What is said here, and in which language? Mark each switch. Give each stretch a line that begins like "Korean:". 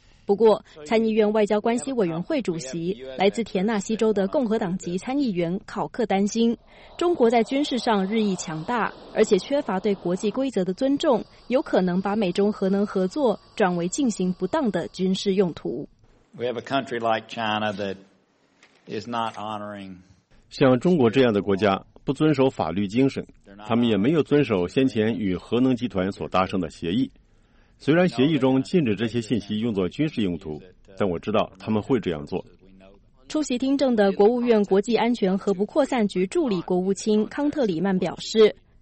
Chinese: 不过，参议院外交关系委员会主席、来自田纳西州的共和党籍参议员考克担心，中国在军事上日益强大，而且缺乏对国际规则的尊重，有可能把美中核能合作转为进行不当的军事用途。
English: We have a country like China that... is not honoring.
Chinese: 像中国这样的国家不遵守法律精神，他们也没有遵守先前与核能集团所达成的协议。虽然协议中禁止这些信息用作军事用途，但我知道他们会这样做。出席听证的国务院国际安全和不扩散局助理国务卿康特里曼表示，